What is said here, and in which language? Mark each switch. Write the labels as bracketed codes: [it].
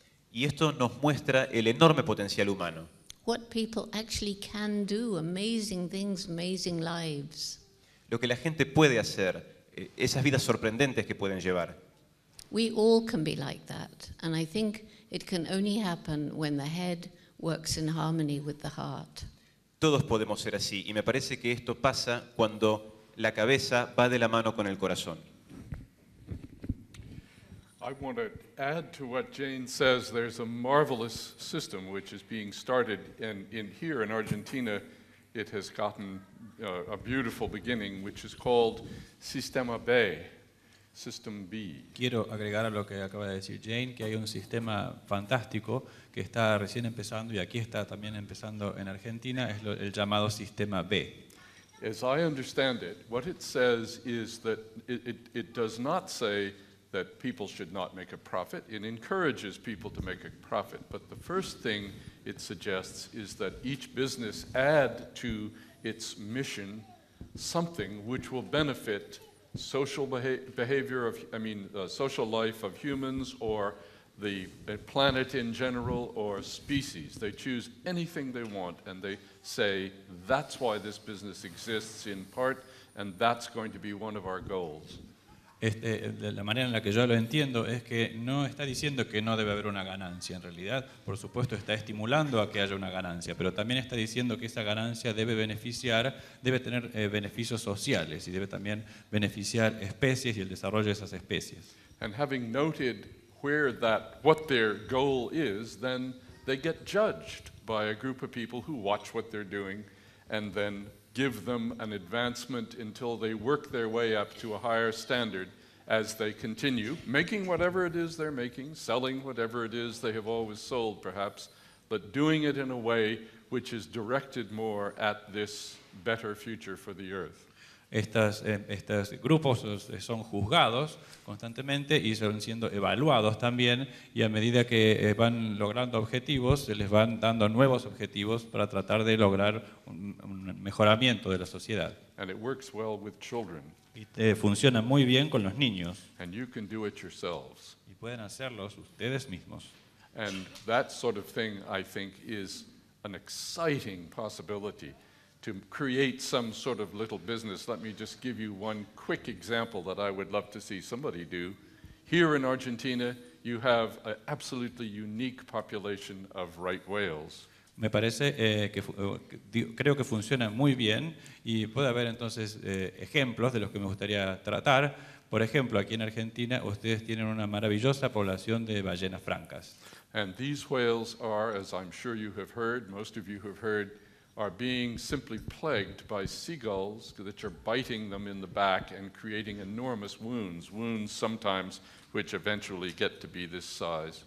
[es] Y esto nos muestra el enorme potencial humano. [en] What people actually can do, amazing things, amazing lives. Lo que la gente puede hacer, esas vidas sorprendentes que pueden llevar. We all can be like that, and I think it can only happen when the head works in harmony with the heart. Todos podemos ser así, y me parece que esto pasa cuando la cabeza va de la mano con el corazón. I want to add to what Jane says. There's a marvelous system which is being started in here in Argentina. It has gotten a beautiful beginning, which is called Sistema B, System B. [es] Quiero agregar a lo que acaba de decir Jane que hay un sistema fantástico que está recién empezando y aquí está también empezando en Argentina, es el llamado Sistema B. [en] As I understand it, what it says is that it does not say that people should not make a profit. It encourages people to make a profit. But the first thing it suggests is that each business add to its mission something which will benefit social behavior of, social life of humans or the planet in general or species. They choose anything they want and they say, that's why this business exists in part and that's going to be one of our goals. [es] La manera en la que yo lo entiendo es que no está diciendo que no debe haber una ganancia. En realidad, por supuesto, está estimulando a que haya una ganancia, pero también está diciendo que esa ganancia debe beneficiar, debe tener beneficios sociales y debe también beneficiar especies y el desarrollo de esas especies. [en] And having noted where that, what their goal is, then they get judged by a group of people who watch what they're doing and then give them an advancement until they work their way up to a higher standard as they continue making whatever it is they're making, selling whatever it is they have always sold perhaps, but doing it in a way which is directed more at this better future for the earth. [es] Estos grupos son juzgados constantemente y son siendo evaluados también, y a medida que van logrando objetivos, se les van dando nuevos objetivos para tratar de lograr un mejoramiento de la sociedad. [en] And it works well with children. [es] Y funciona muy bien con los niños. [en] And you can do it yourselves. [es] Y pueden hacerlos ustedes mismos. [en] And that sort of thing, I think, is an exciting possibility to create some sort of little business. Let me just give you one quick example that I would love to see somebody do. Here in Argentina, you have an absolutely unique population of right whales. [es] Me parece creo que funciona muy bien y puede haber entonces ejemplos de los que me gustaría tratar. Por ejemplo, aquí en Argentina, ustedes tienen una maravillosa población de ballenas francas. [en] And these whales are, as I'm sure you have heard, most of you have heard, are being simply plagued by seagulls that are biting them in the back and creating enormous wounds, wounds sometimes which eventually get to be this size.